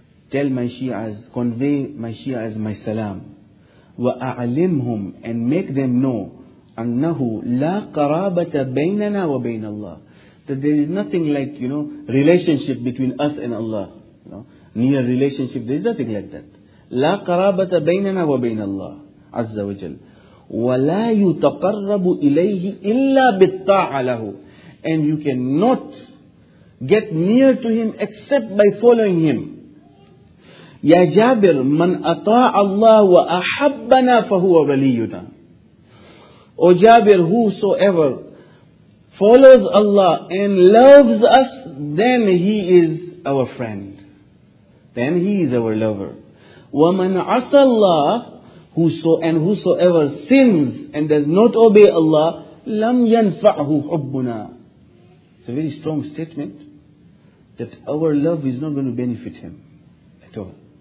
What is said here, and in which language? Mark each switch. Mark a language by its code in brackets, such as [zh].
[en] Tell my Shi'as, convey my Shi'as my salam. [ar] وَأَعْلِمْهُمْ [en] And make them know, [ar] أَنَّهُ لَا قَرَابَةَ بَيْنَنَا وَبَيْنَ اللَّهِ [en] That there is nothing like, you know, relationship between us and Allah. You know, near relationship, there is nothing like that. [ar] لا قرابة بيننا وبين الله عز وجل. ولا يتقرب إليه إلا بالطاعة له. [en] And you cannot get near to him except by following him. [ar] يا جابر من أطاع الله وأحبنا فهو ولينا. [en] O Jabir, whosoever follows Allah and loves us, then he is our friend. Then he is our lover. [ar] وَمَنْ عَصَى اللَّهُ [en] And whosoever sins and does not obey Allah, [ar] لَمْ يَنْفَعْهُ حُبُّنَا [en] It's a very strong statement that our love is not going to benefit him at all.